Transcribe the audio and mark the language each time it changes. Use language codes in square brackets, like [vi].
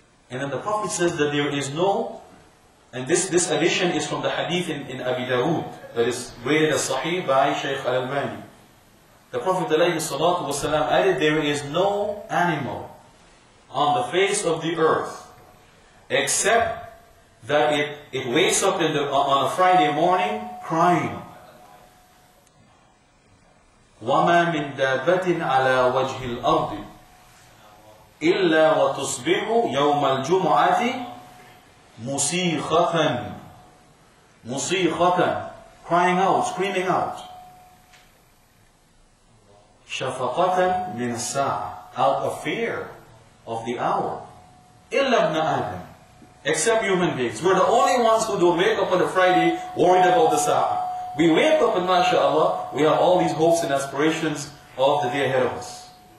[en] And then the Prophet says that there is no, and this addition is from the hadith in Abi Dawood, that is rated as sahih by Shaykh al-Albani. The Prophet added, there is no animal on the face of the earth except that it wakes up on a Friday morning crying. [ar] وَمَا مِن دَابَّةٍ عَلَىٰ وَجْهِ الْأَرْضِ إِلَّا وَتُصْبِحُ يَوْمَ الْجُمُعَةِ مُسِيخَةً مُسِيخَةً, [en] crying out, screaming out. [ar] شَفَقَةً مِنَ السَّاعَةِ, [en] out of fear of the hour. [ar] إِلَّا ابْنَ آدَمَ, [en] except human beings. We're the only ones who don't wake up on a Friday worried about the sa'ah. We wake up and mashallah, we have all these hopes and aspirations of the day ahead of us.